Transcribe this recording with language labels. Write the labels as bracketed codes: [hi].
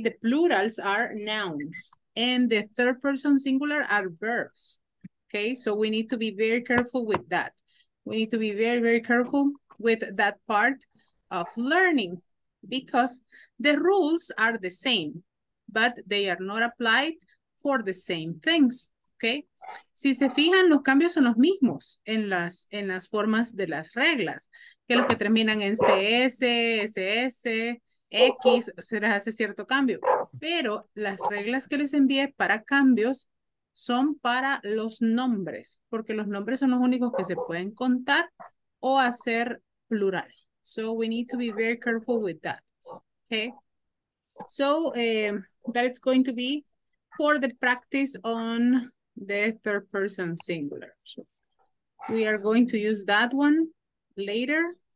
[en] The plurals are nouns and the third person singular are verbs. Okay, so we need to be very careful with that. We need to be very, very careful with that part of learning because the rules are the same, but they are not applied for the same things. [es] Okay, si se fijan, los cambios son los mismos en las formas de las reglas, que los que terminan en CS, SS, X, se les hace cierto cambio, pero las reglas que les envié para cambios son para los nombres, porque los nombres son los únicos que se pueden contar o hacer plural. [en] So we need to be very careful with that. Okay. So that is going to be for the practice on the third person singular. So we are going to use that one later.